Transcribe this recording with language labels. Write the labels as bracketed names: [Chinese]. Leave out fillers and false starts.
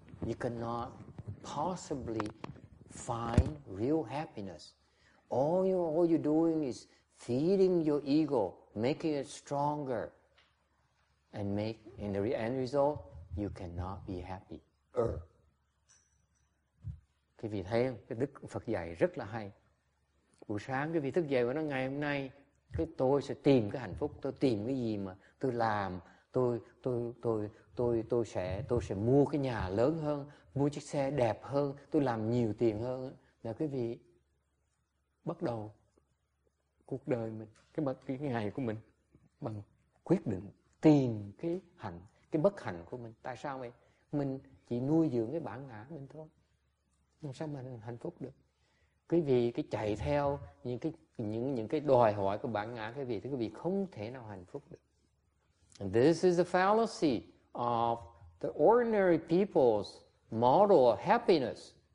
[English] You cannot possibly find real happiness. All you're doing is feeding your ego, making it stronger, and in the end result, you cannot be happy. [Vietnamese] Quý vị thấy không? Cái Đức Phật dạy rất là hay. Buổi sáng quý vị thức dậy và nói ngày hôm nay, cái tôi sẽ tìm cái hạnh phúc, tôi tìm cái gì mà tôi làm, tôi sẽ mua cái nhà lớn hơn, mua chiếc xe đẹp hơn, tôi làm nhiều tiền hơn. Là quý vị bắt đầu cuộc đời mình, cái ngày của mình bằng quyết định tìm cái bất hạnh của mình. Tại sao vậy? Mình chỉ nuôi dưỡng cái bản ngã mình thôi. Làm sao mình hạnh phúc được? Quý vị cái chạy theo những cái đòi hỏi của bản ngã quý vị, thì quý vị không thể nào hạnh phúc được. [English] And this is a fallacy of the ordinary people's model of happiness.